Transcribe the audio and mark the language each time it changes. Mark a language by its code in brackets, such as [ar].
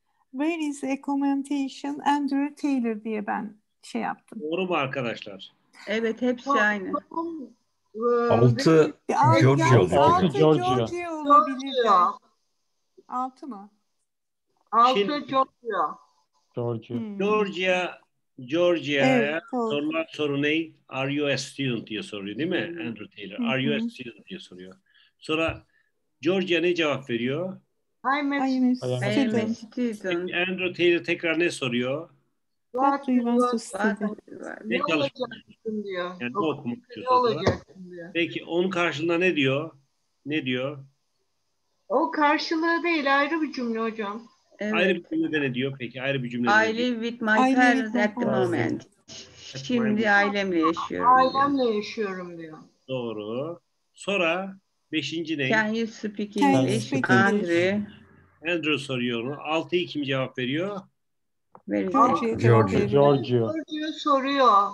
[en] Where is accommodation? [tr] Andrew Taylor diye ben şey yaptım. Doğru mu arkadaşlar? Evet, hepsi aynı. Altı, Georgia. Altı, Georgia olabilir. Altı mı? Altı, Georgia. Georgia. Georgia'ya evet, sorulan soru ne? [en] Are you a student [tr] diye soruyor değil mi? Andrew Taylor. [en] Are you a student [tr] diye soruyor. Sonra Georgia ne cevap veriyor? [en] I'm a student. [tr] Andrew Taylor tekrar ne soruyor? [en] What do you want to study? [tr] Ne olacaksın diyor. Yani ne okumak istiyor? Peki onun karşılığında ne diyor? Ne diyor? O karşılığı değil, ayrı bir cümle hocam. Evet. Ayrı bir cümlede ne diyor peki? Ayrı bir cümlede. [en] I live with my parents at the moment. [tr] Şimdi ailemle yaşıyorum. Ailemle yaşıyorum diyor. Doğru. Sonra beşinci ne? [en] Can you speak English? Andrew. [tr] Andrew soruyor. Altıyı kim cevap veriyor? Georgia. Georgia soruyor.